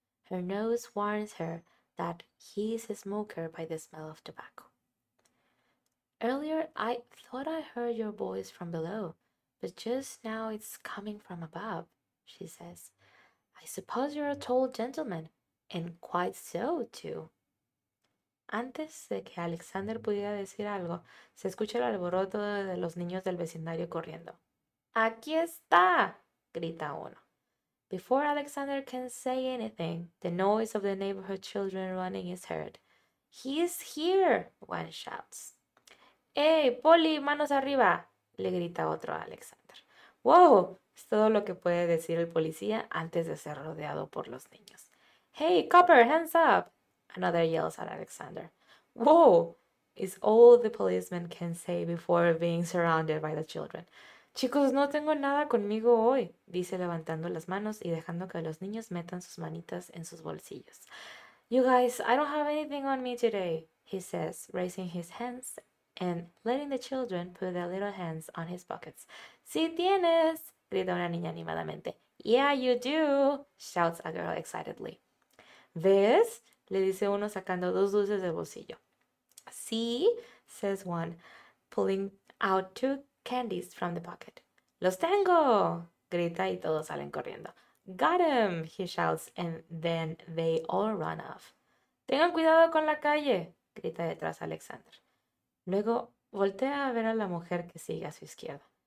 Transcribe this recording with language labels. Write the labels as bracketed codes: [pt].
[en] Her nose warns her that he is a smoker by the smell of tobacco. Earlier I thought I heard your voice from below, but just now it's coming from above, she says. I suppose you're a tall gentleman, and quite so, too. [es] Antes de que Alexander pudiera decir algo, se escucha el alboroto de los niños del vecindario corriendo. ¡Aquí está! Grita uno. [en] Before Alexander can say anything, the noise of the neighborhood children running is heard. ¡He's here! One shouts. [es] ¡Hey, Polly, manos arriba! Le grita otro a Alexander. ¡Wow! Es todo lo que puede decir el policía antes de ser rodeado por los niños. [en] Hey, copper, hands up! Another yells at Alexander. Whoa! Is all the policeman can say before being surrounded by the children. [es] Chicos, no tengo nada conmigo hoy, dice levantando las manos y dejando que los niños metan sus manitas en sus bolsillos. [en] You guys, I don't have anything on me today, he says, raising his hands and letting the children put their little hands on his pockets. [es] ¡Sí tienes! Grita una niña animadamente. [en] Yeah, you do, shouts a girl excitedly. [es] ¿Ves? Le dice uno sacando dos dulces del bolsillo. [en] See, says one, pulling out two candies from the pocket. [es] Los tengo, grita y todos salen corriendo. [en] Got him, he shouts, and then they all run off. [es] Tengan cuidado con la calle, grita detrás Alexander. Luego voltea a ver a la mujer que sigue a su izquierda.